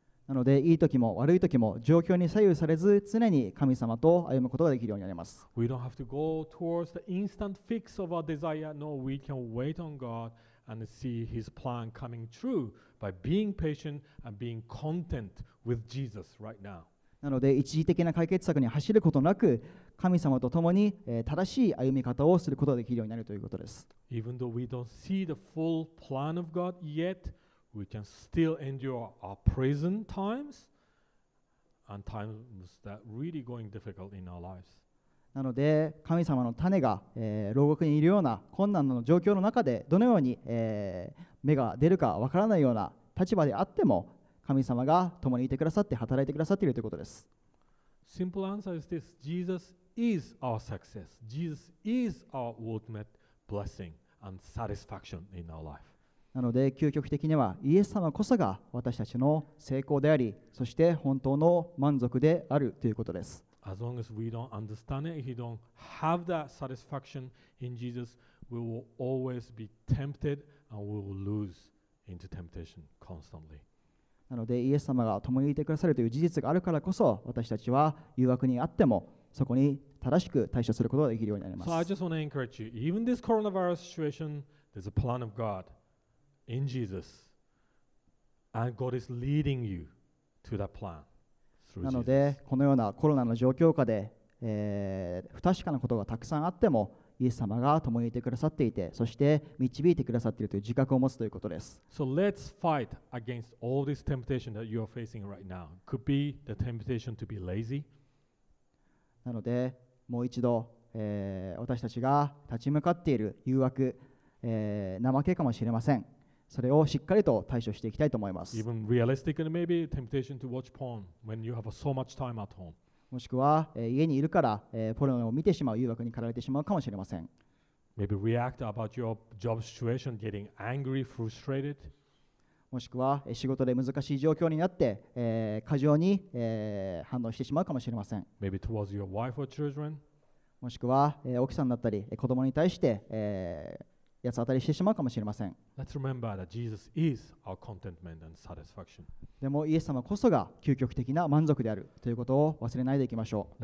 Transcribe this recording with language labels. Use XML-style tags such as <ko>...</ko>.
<ja>なので、いい時も悪い時も状況に左右されず常に神様と歩むことができるようになります。</ja> <en>We don't have to go towards the instant fix of our desire. No, we can wait on God. And see his plan coming true by being patient and being content with Jesus right now.</en> <ja>なので一時的な解決策に走ることなく、神様と共に、正しい歩み方をすることができるようになるということです。</ja> <en>Even though we don't see the full plan of God yet, we can still endure our present times and times that are really going difficult in our lives.</en> <ja>なので、神様の種が、牢獄にいるような困難な状況の中で、どのように、芽が出るかわからないような立場であっても、神様が共にいてくださって、働いてくださっているということです。</ja> <en>Simple answer is this: Jesus is our success. Jesus is our ultimate blessing and satisfaction in our life.</en> <ja>なので、究極的には、イエス様こそが私たちの成功であり、そして本当の満足であるということです。</ja> <en>As long as we don't understand it, if we don't have that satisfaction in Jesus, we will always be tempted and we will lose into temptation constantly.</en> <ja>なので、イエス様が共にいてくださるという事実があるからこそ、私たちは誘惑にあっても、そこに正しく対処することができるようになります。</ja> <en>So I just want to encourage you, even this coronavirus situation, there's a plan of God in Jesus, and God is leading you to that plan.</en> <ja>なのでこのようなコロナの状況下で、不確かなことがたくさんあってもイエス様が共にいてくださっていてそして導いてくださっているという自覚を持つということです。</ja> <en>So let's fight against all this temptation that you are facing right now. Could be the temptation to be lazy.</en> <ja>なのでもう一度、私たちが立ち向かっている誘惑、怠けかもしれません。それをしっかりと対処していきたいと思います。</ja> <en>Even realistically, maybe temptation to watch porn when you have so much time at home.</en> <ja>もしくは、家にいるから、ポルノを見てしまう誘惑に駆られてしまうかもしれません。</ja> <en>Maybe react about your job situation, getting angry, frustrated.</en> <ja>もしくは、仕事で難しい状況になって、過剰に、反応してしまうかもしれません。</ja> <en>Maybe towards your wife or children.</en> <ja>もしくは、奥さんだったり、子供に対して、やつ当たりしてしまうかもしれません。</ja> <en>Let's remember that Jesus is our contentment and satisfaction.</en> <ja>でもイエス様こそが究極的な満足であるということを忘れないでいきましょう。</ja>